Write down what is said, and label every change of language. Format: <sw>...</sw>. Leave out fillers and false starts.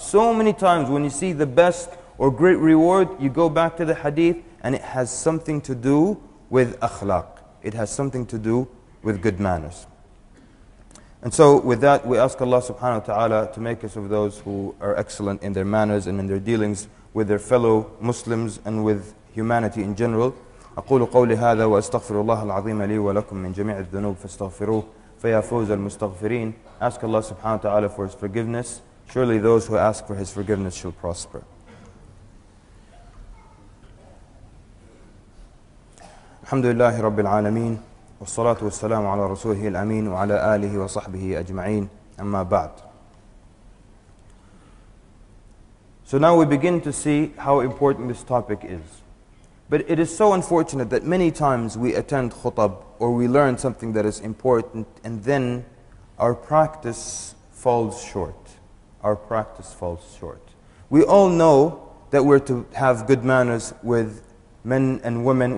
<en>So many times when you see the best or great reward, you go back to the hadith and it has something to do with akhlaq. It has something to do with good manners. And so with that, we ask Allah subhanahu wa ta'ala to make us of those who are excellent in their manners and in their dealings with their fellow Muslims and with humanity in general.</en> <ar>أقول قولي هذا وأستغفر الله العظيم لي ولكم من جميع الذنوب فاستغفروه فيا فوز المستغفرين.</ar> <en>Ask Allah subhanahu wa ta'ala for His forgiveness. Surely those who ask for His forgiveness shall prosper.</en> <ar>الحمد لله رب العالمين والصلاة والسلام على رسوله الأمين وعلى آله وصحبه أجمعين أما بعد.</ar> <en>So now we begin to see how important this topic is. But it is so unfortunate that many times we attend khutab or we learn something that is important and then our practice falls short. Our practice falls short. We all know that we're to have good manners with men and women.</en>